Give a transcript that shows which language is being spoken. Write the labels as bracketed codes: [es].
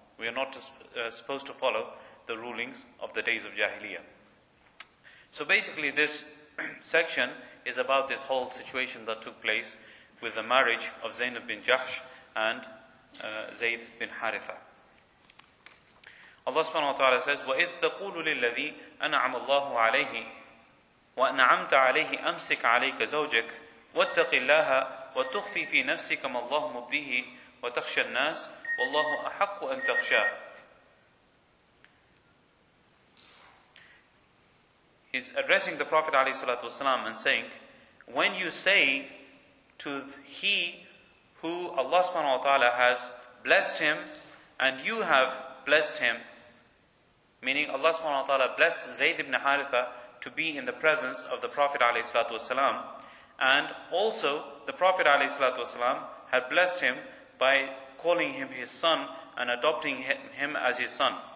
[en] We are not supposed to follow the rulings of the days of Jahiliyyah. So basically this section is about this whole situation that took place with the marriage of Zainab bin Jahsh and Zayd bin Haritha. Allah subhanahu wa ta'ala says, [ar] وَإِذْ تَقُولُ لِلَّذِي أَنْعَمَ اللَّهُ عَلَيْهِ وَأَنْعَمْتَ عَلَيْهِ أَمْسِكْ عَلَيْكَ زَوْجَكَ وَاتَّقِ اللَّهَ وَتُخْفِي فِي نَفْسِكَ مَا اللَّهُ مُبْدِيهِ وَتَخْشَى النَّاسَ وَاللَّهُ أَحَقُّ أَنْ تَخْشَاهُ. [en] He's addressing the Prophet ﷺ and saying, when you say to he who Allah subhanahu wa ta'ala has blessed him and you have blessed him, meaning Allah subhanahu wa ta'ala blessed Zayd ibn Haritha to be in the presence of the Prophet ﷺ, and also the Prophet ﷺ had blessed him by calling him his son and adopting him as his son.